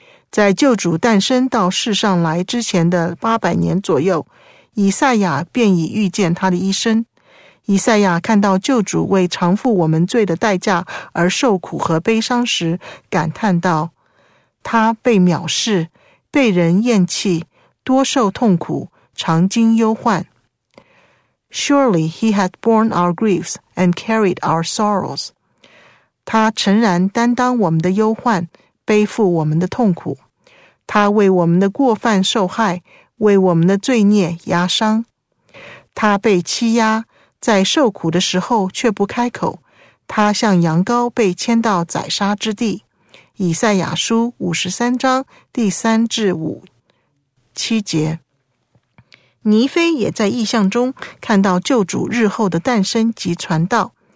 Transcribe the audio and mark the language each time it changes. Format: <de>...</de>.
<zh>在救主诞生到世上来之前的八百年左右，以赛亚便已预见他的一生。以赛亚看到救主为偿付我们罪的代价而受苦和悲伤时，感叹道，他被藐视，被人厌弃，多受痛苦，常经忧患。</zh> <en>Surely he hath borne our griefs and carried our sorrows.</en> <zh>他诚然担当我们的忧患，背负我们的痛苦。他为我们的过犯受害，为我们的罪孽压伤。他被欺压，在受苦的时候却不开口。他像羊羔被牵到宰杀之地。以赛亚书五十三章第三至五七节，尼非也在异象中看到救主日后的诞生及传道。</zh>